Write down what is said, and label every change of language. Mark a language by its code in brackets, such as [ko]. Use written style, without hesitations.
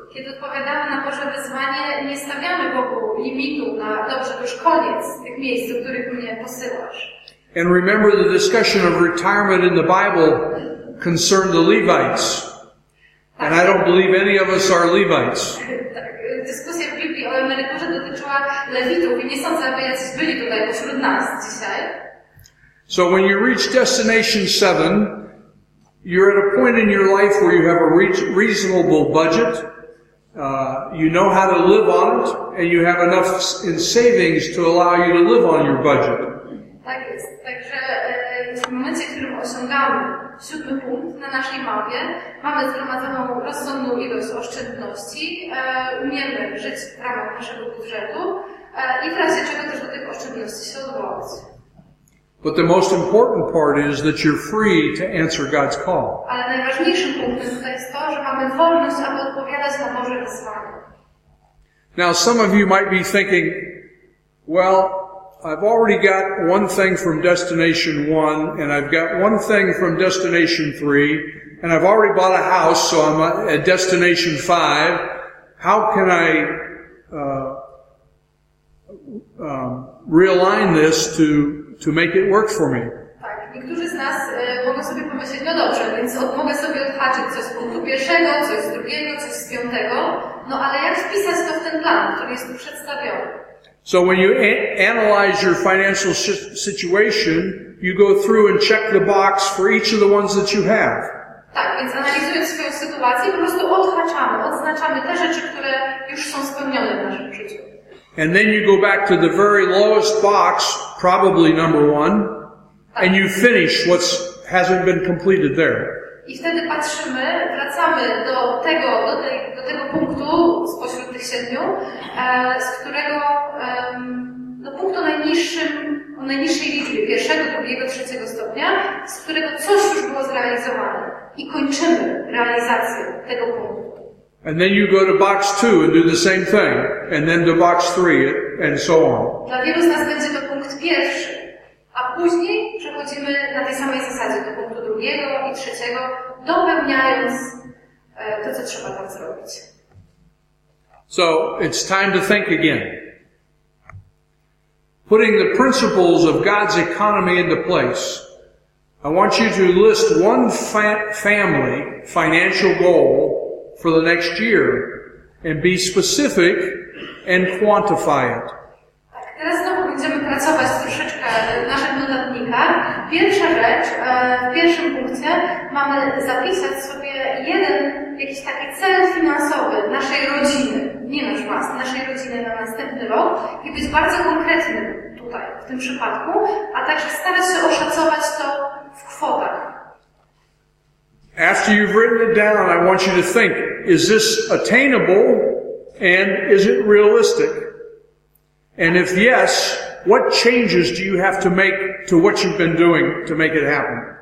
[pl] Kiedy odpowiadamy na Boże wyzwanie, nie stawiamy Bogu limitu na dobrze, to już koniec tych miejsc, do których mnie posyłasz. [en] And remember the discussion of retirement in the Bible concerned the Levites. And I don't believe any of us are Levites. [pl] Dyskusja w Biblii o emeryturze dotyczyła Lewitów i nie sądzę, aby jacyś byli tutaj pośród nas dzisiaj. [en] So when you reach destination 7, you're at a point in your life where you have a reasonable budget, you know how to live on it, and you have enough in savings to allow you to live on your budget. [pl] Tak jest. Także w momencie, w którym osiągamy siódmy punkt na naszej mapie, mamy zgromadzoną rozsądną ilość oszczędności, umiemy żyć w ramach naszego budżetu i w razie czego też do tych oszczędności się odwołać. [en] But the most important part is that you're free to answer God's call. [pl] Ale najważniejszym punktem tutaj jest to, że mamy wolność, aby odpowiadać na Boże wezwanie. [en] Now some of you might be thinking, well, I've already got one thing from destination 1, and I've got one thing from destination 3, and I've already bought a house, so I'm at destination 5. How can I realign this to make it work for me? [pl] Tak, niektórzy z nas mogą sobie pomyśleć, no dobrze, więc mogę sobie odhaczyć coś z punktu pierwszego, coś z drugiego, coś z piątego. No ale jak wpisać to w ten plan, który jest tu przedstawiony? [en] So when you analyze your financial situation, you go through and check the box for each of the ones that you have. [pl] Tak, więc analizując swoją sytuację, po prostu odznaczamy te rzeczy, które już są spełnione w naszym życiu. [en] And then you go back to the very lowest box, probably number 1, [pl] tak, [en] and you finish what hasn't been completed there. [pl] I wtedy patrzymy, wracamy do tego punktu spośród tych siedmiu, z którego do punktu najniższej liczby, pierwszego, drugiego, trzeciego stopnia, z którego coś już było zrealizowane. I kończymy realizację tego punktu. [en] And then you go to box 2 and do the same thing, and then to box 3, and so on. [pl] Dla wielu z nas będzie to punkt pierwszy, a później przechodzimy na tej samej zasadzie do punktu drugiego i trzeciego, dopełniając to, co trzeba tam zrobić. [en] So, it's time to think again. Putting the principles of God's economy into place, I want you to list one family financial goal for the next year and be specific and quantify it. [pl] Tak, teraz znowu będziemy pracować troszeczkę w naszych notatnikach. Pierwsza rzecz, w pierwszym punkcie mamy zapisać sobie jeden jakiś taki cel finansowy naszej rodziny, nie nasz własny, naszej rodziny na następny rok i być bardzo konkretnym tutaj, w tym przypadku, a także starać się oszacować to w kwotach. [en] After you've written it down, I want you to think, is this attainable and is it realistic? And if yes, What changes do you have to make to what you've been doing to make it happen?